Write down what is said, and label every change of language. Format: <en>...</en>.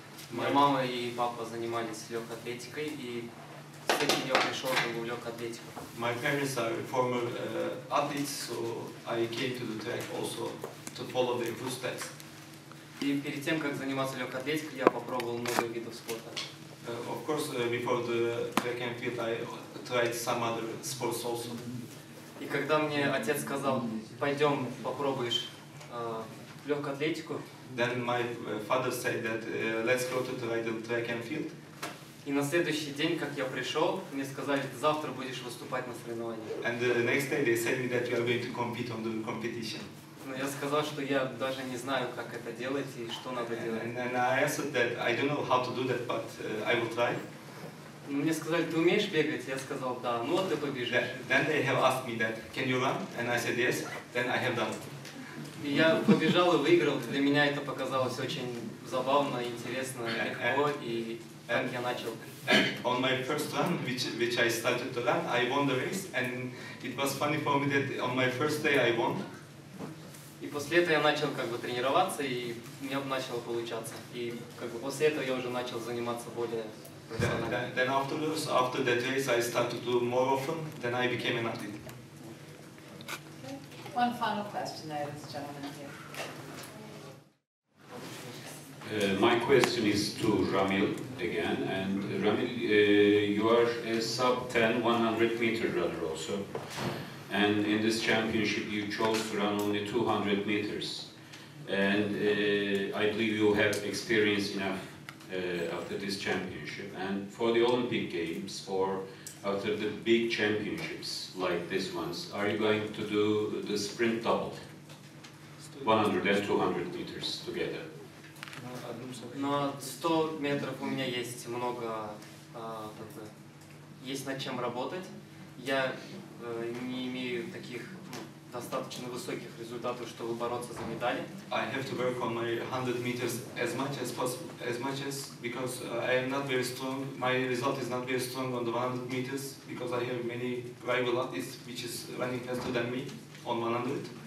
<ru>Моя мама и папа занимались легкоатлетикой, и с этим я пришел в легкоатлетику.</ru> <en>My parents are former athletes, so I came to the track also to follow their footsteps.</en> <ru>И перед тем, как заниматься легкоатлетикой, я попробовал много видов спорта.</ru> <en>Of course, before the track and field, I tried some other sports also.</en> <ru>И когда мне отец сказал, пойдем попробуешь легкую атлетику.</ru> <en>Then my father said that let's go to the track and field.</en> <ru>И на следующий день, как я пришел, мне сказали, завтра будешь выступать на соревнованиях.</ru> <en>And the next day they said me that you are going to compete on the competition.</en> <ru>Но я сказал, что я даже не знаю, как это делать и что надо делать.</ru> <en>And I answered that I don't know how to do that, but I will try.</en> <ru>Мне сказали, ты умеешь бегать? Я сказал, да. Ну вот ты побежишь.</ru> <en>Then they have asked me that, can you run? And I said yes. Then I have done.</en> <ru>И я побежал и выиграл. Для меня это показалось очень забавно, интересно, легко, и так я начал.</ru> <en>And on my first run, which I started to run, I won the race, and it was funny for me that on my first day I won.</en> <ru>И после этого я начал как бы тренироваться, и у меня начало получаться. И как бы после этого я уже начал заниматься более.</ru> <en>Then afterwards, after that race, I started to do more often, then I became an athlete. Okay. One final question there, this gentleman here. My question is to Ramil again. And Ramil, you are a sub-10, 100 meter runner also. And in this championship, you chose to run only 200 meters. And I believe you have experience enough after this championship and for the Olympic Games, or after the big championships like this ones, are you going to do the sprint double, 100 and 200 meters together?</en> <ru>No, 100 метров у меня есть много, есть над чем работать. Я не имею таких достаточно высоких результатов, чтобы бороться за медали.</ru> <en>I have to work on my 100 meters as much as possible, as much as, because I am not very strong. My result is not very strong on the 100 meters because I have many rival athletes which is running faster than me on 100.</en>